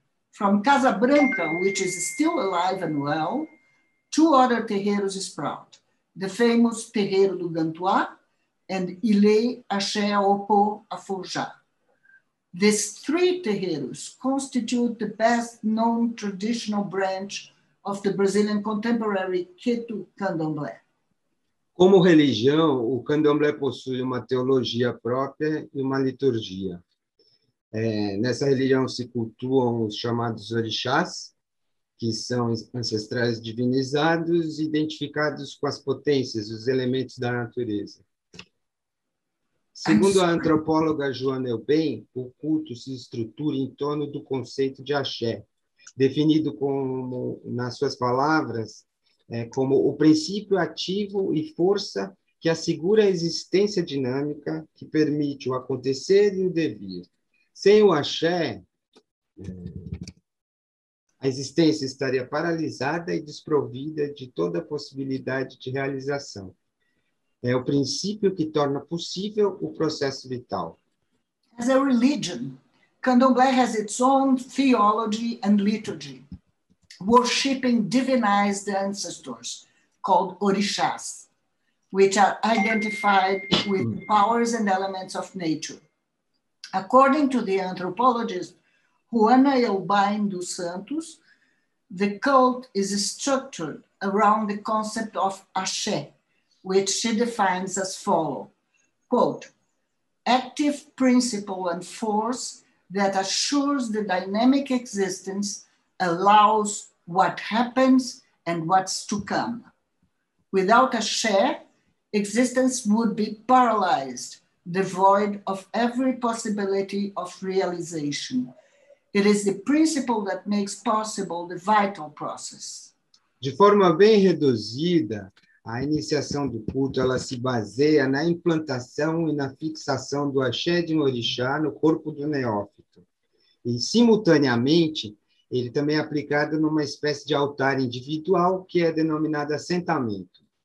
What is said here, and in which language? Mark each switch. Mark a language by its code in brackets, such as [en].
[en] From Casa Branca, which is still alive and well, two other terreiros sprout: the famous Terreiro do Gantuá and Ile Axé Opo Afoujá. These three terreiros constitute the best known traditional branch of the Brazilian contemporary Ketu Candomblé. [pt] Como religião, o candomblé possui uma teologia própria e uma liturgia. Nessa religião se cultuam os chamados orixás, que são ancestrais divinizados, identificados com as potências, os elementos da natureza. Segundo a antropóloga Joana Elbem, o culto se estrutura em torno do conceito de axé, definido como, nas suas palavras, como o princípio ativo e força que assegura a existência dinâmica que permite o acontecer e o devir. Sem o axé, a existência estaria paralisada e desprovida de toda possibilidade de realização. É o princípio que torna possível o processo vital. [en] As a religion, Candomblé has its own theology and liturgy, worshipping divinized ancestors called orixás, which are identified with powers and elements of nature. According to the anthropologist Juana Elbain dos Santos, the cult is structured around the concept of axé, which she defines as follows: quote, active principle and force that assures the dynamic existence, allows what happens and what's to come. Without axé, existence would be paralyzed, devoid of every possibility of realization. It is the principle that makes possible the vital process. [pt] De forma bem reduzida, a iniciação do culto ela se baseia na implantação e na fixação do axé de um orixá no corpo do neófito. E, simultaneamente, ele também é aplicado numa espécie de altar individual que é denominado assentamento.